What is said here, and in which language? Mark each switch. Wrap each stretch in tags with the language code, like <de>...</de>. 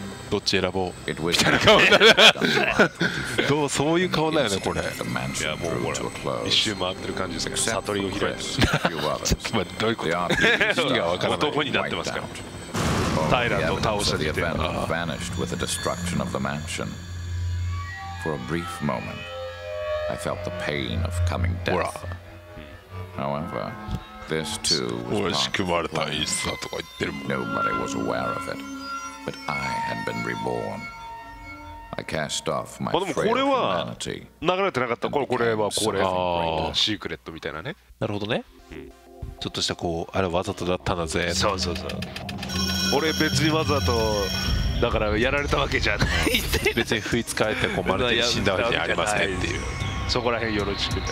<ja>どっち選ぼう。みたいな顔だね。どう、そういう顔だよねこれ。いやもうほら一周回ってる感じですから。悟りを開いてる。ちょっと待って、どういうこと。意味がわからない。男になってますから。タイラントを倒した時点で</ja> <en>vanished with the destruction of the mansion. For a brief moment, I felt the pain of coming death. However, this too was not the case. Nobody was aware of it, but I had been reborn. I cast off my frail humanity.</en> <ja>流れてなかった。これはこれ。シークレットみたいなね。なるほどね。ちょっとしたこう、あれわざとだったんだぜ。そうそうそう、俺別にわざとだからやられたわけじゃないって。別に不意つかれてこうまるで死んだわけじゃありませんっていう。そこら辺よろしく。</ja>